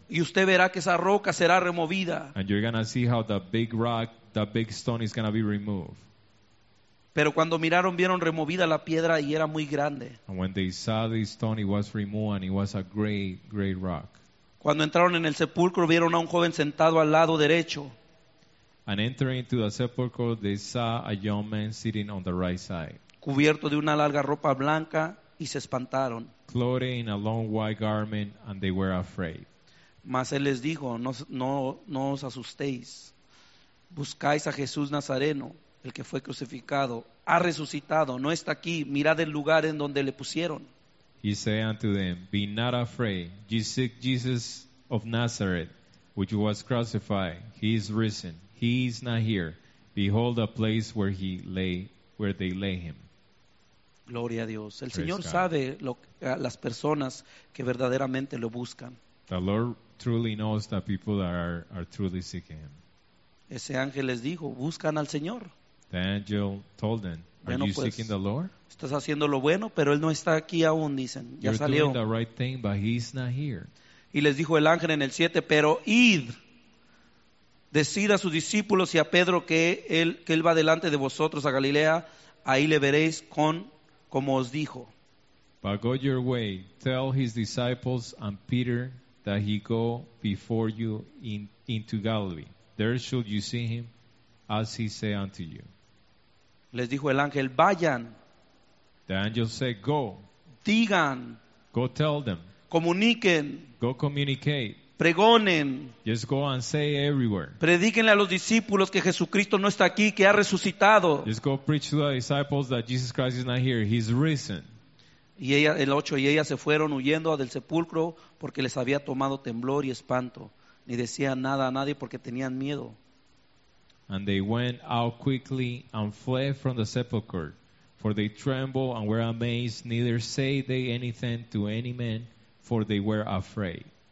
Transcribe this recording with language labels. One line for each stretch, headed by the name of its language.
Spanish: Y usted verá que esa roca será removida.
English: And you're going to see how the big rock, the big stone is going to be removed.
Spanish: Pero cuando miraron, vieron removida la piedra y era muy grande.
English: And when they saw the stone, it was removed and it was a great, great rock.
Spanish: Cuando entraron en el sepulcro, vieron a un joven sentado al lado derecho.
English: And entering into the sepulchre, they saw a young man sitting on the right side.
Spanish: Cubierto de una larga ropa blanca, y se espantaron.
English: Clothed in a long white garment, and they were afraid.
Spanish: Mas él les dijo, no os asustéis. Buscáis a Jesús Nazareno, el que fue crucificado. Ha resucitado, no está aquí. Mirad el lugar en donde le pusieron.
English: He said unto them, be not afraid. Ye seek Jesus of Nazareth, which was crucified. He is risen. He is not here. Behold the place where he lay, where they lay him.
Spanish: Gloria a Dios. El Señor sabe las personas que verdaderamente lo buscan.
English: The Lord truly knows the people that are truly seeking him.
Spanish: Ese ángel les dijo, buscan al Señor.
English: The angel told them, are you seeking the Lord?
Spanish: Estás haciendo lo bueno, pero él no está aquí aún, dicen. Ya salió.
English: You're doing the right thing, but he's not here.
Spanish: Y les dijo el ángel en el 7, pero id. Decid a sus discípulos y a Pedro que él va delante de vosotros a Galilea, ahí le veréis como os dijo.
English: But go your way, tell his disciples and Peter that he go before you into Galilee. There shall you see him as he say unto you.
Spanish: Les dijo el ángel, vayan.
English: The angel said, go.
Spanish: Digan.
English: Go tell them.
Spanish: Comuniquen.
English: Go communicate.
Spanish: Pregonen.
English: Just go and say everywhere.
Spanish: Predíquenle a los discípulos que Jesucristo no está aquí, que ha resucitado.
English: Just go preach to the disciples that Jesus Christ is not here. He's risen.
Spanish: Y ella, el 8, y ellas se fueron huyendo del sepulcro porque les había tomado temblor y espanto. Ni decían nada a nadie porque tenían miedo.
English: And they went out quickly and fled from the sepulchre, for they trembled and were amazed, neither say they anything to any man, for they were afraid.